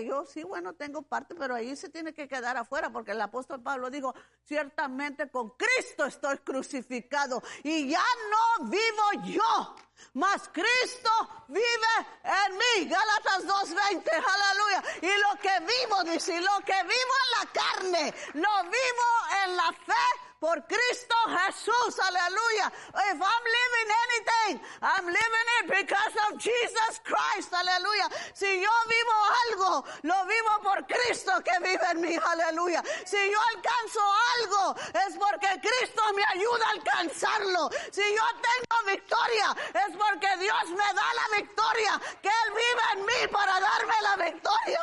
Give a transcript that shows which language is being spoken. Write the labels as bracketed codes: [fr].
[es] Yo sí, bueno, tengo parte, pero ahí se tiene que quedar afuera, porque el apóstol Pablo dijo, ciertamente con Cristo estoy crucificado y ya no vivo yo, mas Cristo vive en mí. Gálatas 2:20, aleluya. Y lo que vivo, dice, lo que vivo en la carne, lo vivo en la fe. Por Cristo Jesús, aleluya. [en] If I'm living anything, I'm living it because of Jesus Christ, [es] aleluya. Si yo vivo algo, lo vivo por Cristo que vive en mí, aleluya. Si yo alcanzo algo, es porque Cristo me ayuda a alcanzarlo. Si yo tengo victoria, es porque Dios me da la victoria, que Él vive en mí para darme la victoria.